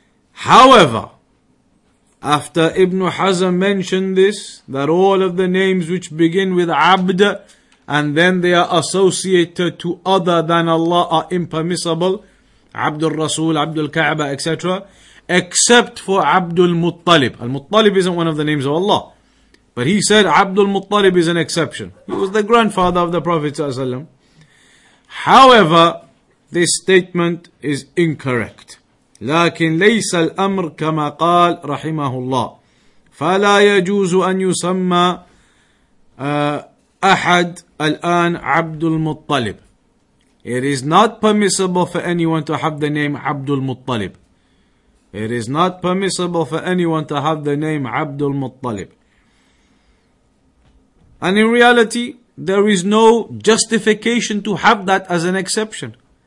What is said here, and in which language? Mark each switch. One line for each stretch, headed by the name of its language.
English: However, after Ibn Hazm mentioned this, that all of the names which begin with Abd, and then they are associated to other than Allah are impermissible, Abdul Rasul, Abdul Ka'bah, etc., except for Abdul Muttalib. Al-Muttalib isn't one of the names of Allah. But he said Abdul Muttalib is an exception. He was the grandfather of the Prophet ﷺ. However, this statement is incorrect.
Arabic: لكن ليس الأمر كما قال رحمه الله. فلا يجوز أن يسمى أحد الآن Abdul Muttalib.
English: It is not permissible for anyone to have the name Abdul Muttalib. It is not permissible for anyone to have the name Abdul Muttalib. And in reality, there is no justification to have that as an exception.